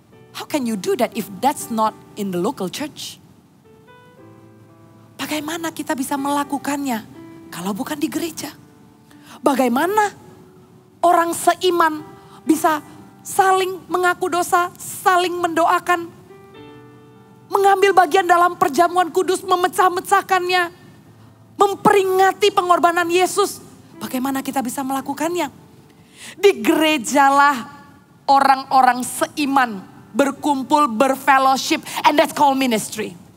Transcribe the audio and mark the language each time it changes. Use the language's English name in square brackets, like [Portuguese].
[English] How can you do that if that's not in the local church? [Indonesian] Bagaimana kita bisa melakukannya kalau bukan di gereja? Bagaimana orang seiman bisa saling mengaku dosa, saling mendoakan, mengambil bagian dalam perjamuan kudus, memecah-mecahkannya, memperingati pengorbanan Yesus. Bagaimana kita bisa melakukannya? Di gerejalah orang-orang seiman berkumpul, berfellowship, [English] and that's called ministry.